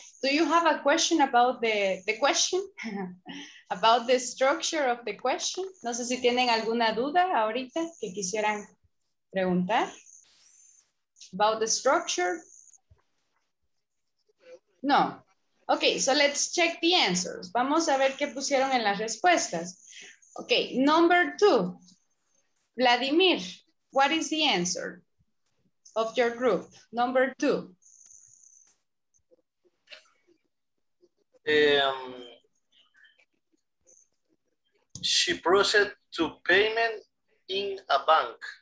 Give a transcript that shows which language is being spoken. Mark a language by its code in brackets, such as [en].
[en] Do you have a question about the question? About the structure of the question? [es] No sé si tienen alguna duda ahorita que quisieran preguntar. [en] About the structure? [es] No. [en] Okay, so let's check the answers. [es] Vamos a ver qué pusieron en las respuestas. [en] Okay, number two. Vladimir, what is the answer of your group? Number two. She proceeded to payment in a bank.